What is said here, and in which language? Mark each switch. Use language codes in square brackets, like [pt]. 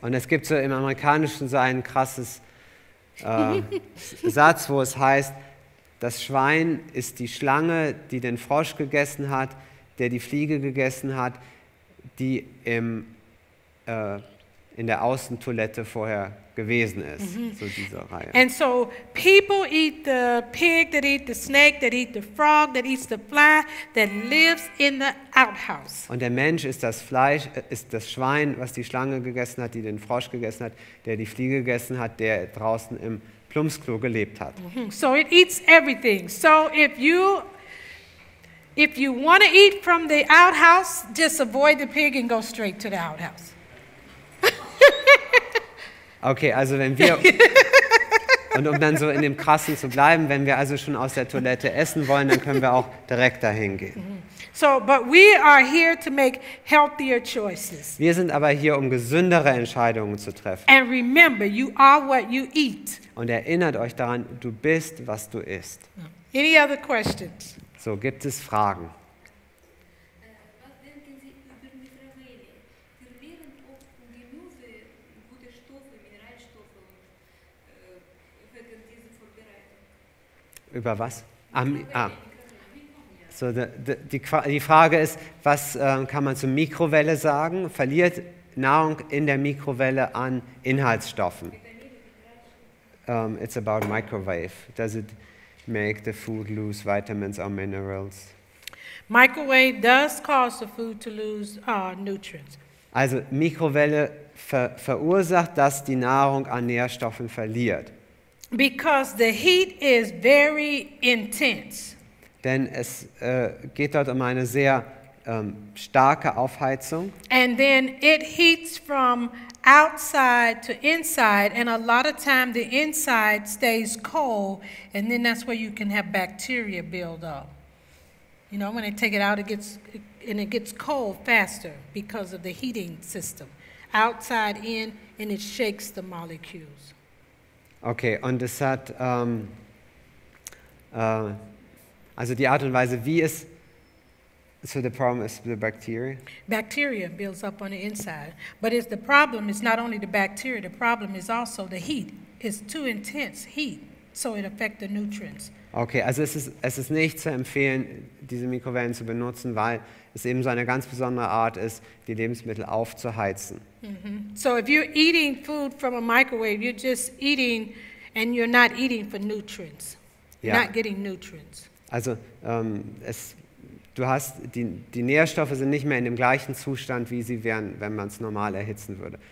[de] Und es gibt so im Amerikanischen so einen krassen Satz, wo es heißt, das Schwein ist die Schlange, die den Frosch gegessen hat, der die Fliege gegessen hat, die im in der Außentoilette vorher gewesen ist, mm-hmm. so diese Reihe. [en] And so people eat the pig, that eat the snake, that eat the frog, that eats the fly, that lives in the outhouse. [de] Und der Mensch ist das Fleisch, ist das Schwein, was die Schlange gegessen hat, die den Frosch gegessen hat, der die Fliege gegessen hat, der draußen im Plumpsklo gelebt hat. [en] Mm-hmm. So it eats everything. So if you want to eat from the outhouse, just avoid the pig and go straight to the outhouse. [de] Okay, also wenn wir, und um dann so in dem Krassen zu bleiben, wenn wir also schon aus der Toilette essen wollen, dann können wir auch direkt dahin gehen. [en] So, but we are here to make healthier choices. [de] Wir sind aber hier, um gesündere Entscheidungen zu treffen. [en] And remember, you are what you eat. [de] Und erinnert euch daran, du bist, was du isst. [en] Any other questions? [de] So, gibt es Fragen? Über was? So die Frage ist, was kann man zur Mikrowelle sagen? Verliert Nahrung in der Mikrowelle an Inhaltsstoffen? [en] It's about microwave. Does it make the food lose vitamins or minerals? Microwave does cause the food to lose nutrients. [de] Also Mikrowelle verursacht, dass die Nahrung an Nährstoffen verliert. [en] Because the heat is very intense. [de] Denn es geht dort um eine sehr starke Aufheizung. [en] And then it heats from outside to inside, and a lot of time the inside stays cold, and then that's where you can have bacteria build up. You know, when they take it out, it gets cold faster because of the heating system. Outside in, and it shakes the molecules. [de] Okay, und es hat, also die Art und Weise, wie es, [en] so the problem is the bacteria? Bacteria builds up on the inside. But it's the problem is not only the bacteria, the problem is also the heat. It's too intense heat, so it affects the nutrients. [de] Okay, also es ist nicht zu empfehlen, diese Mikrowellen zu benutzen, weil es eben so eine ganz besondere Art ist, die Lebensmittel aufzuheizen. Mm-hmm. [en] So if you're eating food from a microwave, you're just eating and you're not eating for nutrients. [de] Ja. [en] Not getting nutrients. [de] Also es Du hast die Nährstoffe sind nicht mehr in dem gleichen Zustand, wie sie wären, wenn man es normal erhitzen würde.